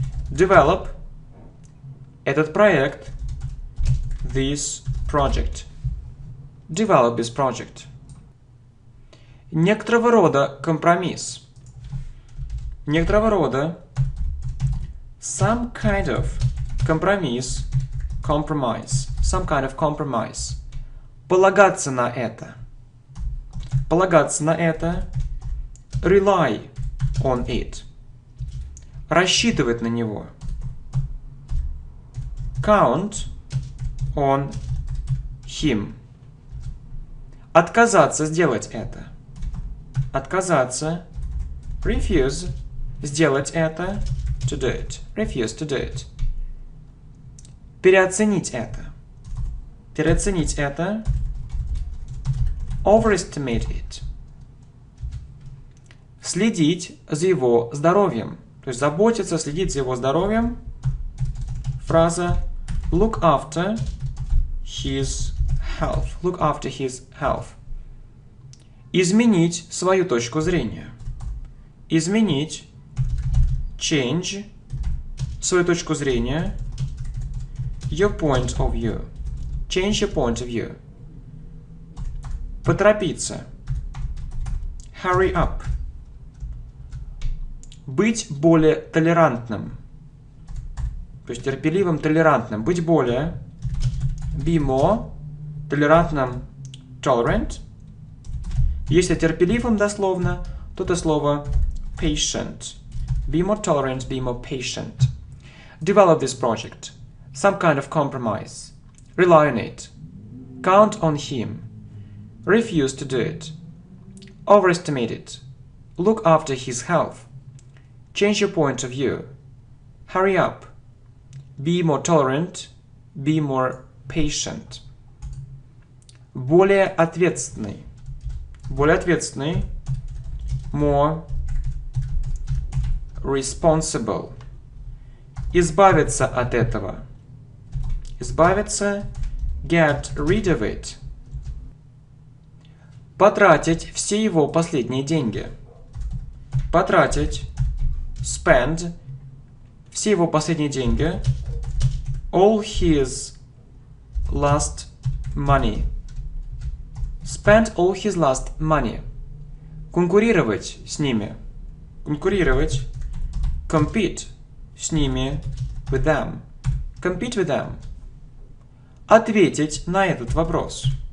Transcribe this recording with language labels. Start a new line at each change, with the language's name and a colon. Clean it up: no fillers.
English: Develop
Russian: этот проект.
English: This project. Develop this project.
Russian: Некоторого рода компромисс. Некоторого рода.
English: Some kind of
Russian: компромисс.
English: Compromise. Some kind of compromise.
Russian: Полагаться на это. Полагаться на это.
English: Rely on it.
Russian: Рассчитывать на него.
English: Count on him.
Russian: Отказаться сделать это. Отказаться.
English: Refuse
Russian: сделать это.
English: To do it. Refuse to do it.
Russian: Переоценить это. Переоценить это.
English: Overestimate it.
Russian: Следить за его здоровьем. То есть заботиться, следить за его здоровьем. Фраза
English: look after his health. Look after his health.
Russian: Изменить свою точку зрения. Изменить.
English: Change
Russian: свою точку зрения.
English: Your point of view. Change your point of view.
Russian: Поторопиться.
English: Hurry up.
Russian: Быть более толерантным. То есть терпеливым, толерантным. Быть более.
English: Be more.
Russian: Толерантным.
English: Tolerant.
Russian: Если терпеливым дословно, то это слово
English: patient. Be more tolerant, be more patient. Develop this project. Some kind of compromise. Rely on it. Count on him. Refuse to do it. Overestimate it. Look after his health. Change your point of view. Hurry up. Be more tolerant. Be more patient.
Russian: Более ответственный. Более ответственный.
English: More responsible.
Russian: Избавиться от этого. Избавиться.
English: Get rid of it.
Russian: Потратить все его последние деньги. Потратить.
English: Spend
Russian: все его последние деньги.
English: All his last money. Spent all his last money.
Russian: Конкурировать с ними. Конкурировать.
English: Compete
Russian: с ними.
English: With them. Compete with them.
Russian: Ответить на этот вопрос.